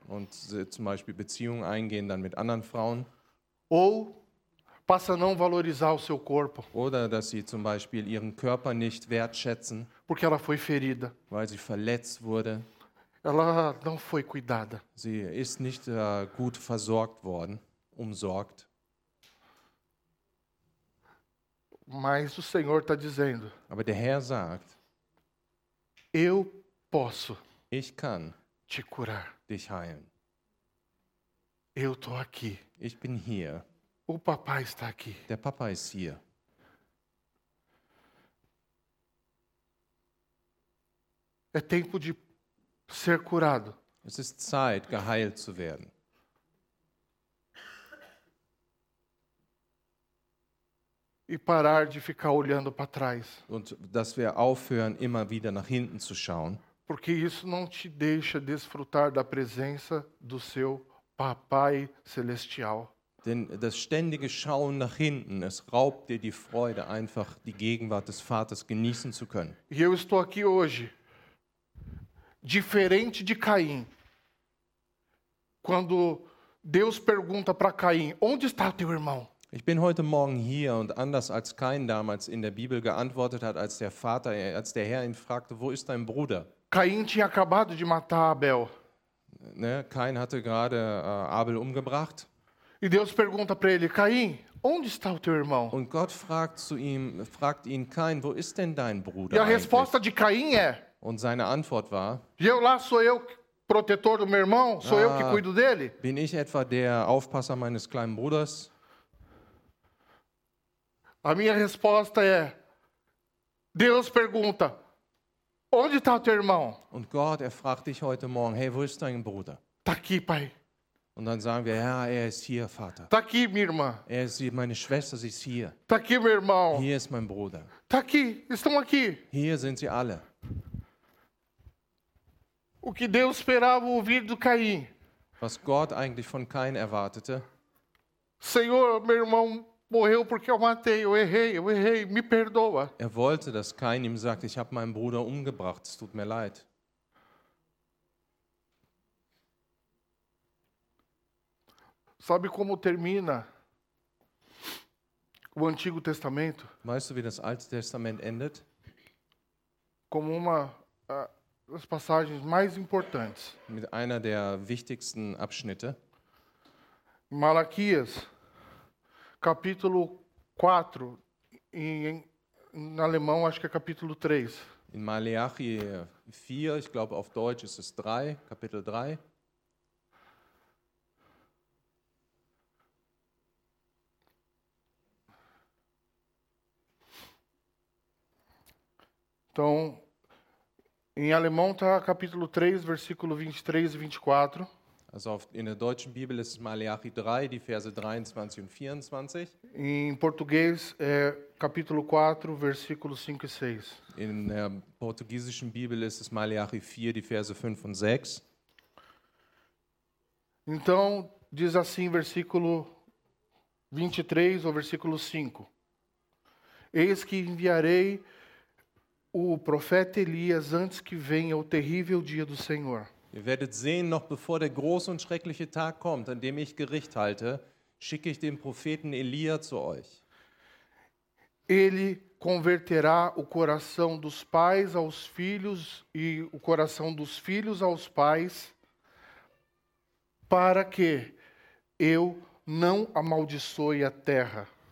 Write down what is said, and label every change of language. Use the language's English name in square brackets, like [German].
[German] Und zum Beispiel Beziehungen eingehen dann mit anderen Frauen. [Portuguese] Ou passa a não valorizar o seu corpo. [German] Oder dass sie zum Beispiel ihren Körper nicht wertschätzen. [Portuguese] Porque ela foi ferida. [German] Weil sie verletzt wurde. [Portuguese] Ela não foi cuidada. [German] Sie ist nicht gut versorgt worden, umsorgt. [Portuguese] Mas o Senhor está dizendo. [German] Aber der Herr sagt. [Portuguese] Eu posso. [German] Ich kann. [Portuguese] Te curar. [German] Dich heilen. [Portuguese] Eu tô aqui. [German] Ich bin hier. [Portuguese] O papai está aqui. [German] Der Papa ist hier. [Portuguese] É tempo de ser curado. [German] Es ist Zeit, geheilt zu werden. [Portuguese] E parar de ficar olhando para trás. [German] Und dass wir aufhören, immer wieder nach hinten zu schauen. [Portuguese] Porque isso não te deixa desfrutar da presença do seu Papai Celestial. [German] Denn das ständige Schauen nach hinten, es raubt dir die Freude, einfach die Gegenwart des Vaters genießen zu können. [Portuguese] E eu estou aqui hoje, diferente de Caim. Quando Deus pergunta para Caim, onde está teu irmão? [German] Ich bin heute Morgen hier und anders als Kain damals in der Bibel geantwortet hat, als der Herr ihn fragte, wo ist dein Bruder? [Portuguese] Kain tinha acabado de matar Abel. [German] Ne, Kain hatte gerade Abel umgebracht. [Portuguese] E Deus pergunta para ele, Kain, onde está o teu irmão? [German] Und Gott fragt ihn, Kain, wo ist denn dein Bruder? [Portuguese] E a resposta de Kain é. [German] Und seine Antwort war. [Portuguese] Eu lá sou eu, protetor do meu irmão, sou eu que cuido dele. [German] Bin ich etwa der Aufpasser meines kleinen Bruders? [Portuguese] A minha resposta é, Deus pergunta, onde está teu irmão? [German] Und Gott, fragt dich heute Morgen, hey, wo ist dein Bruder? [Portuguese] Tá aqui, pai. [German] Und dann sagen wir, ja, ist hier, Vater. [Portuguese] Tá aqui, minha irmã. [German] Meine Schwester, sie ist hier. [Portuguese] Tá aqui, meu irmão. [German] Hier ist mein Bruder. [Portuguese] Tá aqui, estão aqui. [German] Hier sind sie alle. [Portuguese] O que Deus esperava ouvir do Caim? [German] Was Gott eigentlich von Kain erwartete? [Portuguese] Senhor, meu irmão morreu porque eu matei, eu errei, me perdoa. [German] Er wollte, dass Kain ihm sagt, ich habe meinen Bruder umgebracht, es tut mir leid. [Portuguese] Sabe como termina o Antigo Testamento? [German] Weißt du, wie das Alte Testament endet? [Portuguese] Como uma das passagens mais importantes. [German] Mit einer der wichtigsten Abschnitte. [Portuguese] Malaquias. Capítulo 4, em alemão acho que é capítulo 3. [German] In Malachi 4, ich glaube auf Deutsch ist es 3, Kapitel 3. [Portuguese] Então, em alemão está capítulo 3, versículo 23 e 24. [German] Also in der deutschen Bibel ist Malachi 3, die Verse 23 und 24. [Portuguese] Em português é capítulo 4, versículo 5 e 6. [German] In der portugiesischen Bibel ist es Malachi 4, die Verse 5 und 6. [Portuguese] Então diz assim, versículo 23 ou versículo 5. Eis que enviarei o profeta Elias antes que venha o terrível dia do Senhor. [German] Ihr werdet sehen, noch bevor der große und schreckliche Tag kommt, an dem ich Gericht halte, schicke ich den Propheten Elia zu euch. [Portuguese] Ele, converterá o coração dos pais aos filhos e o coração dos filhos aos pais, para que eu não amaldiçoe a terra.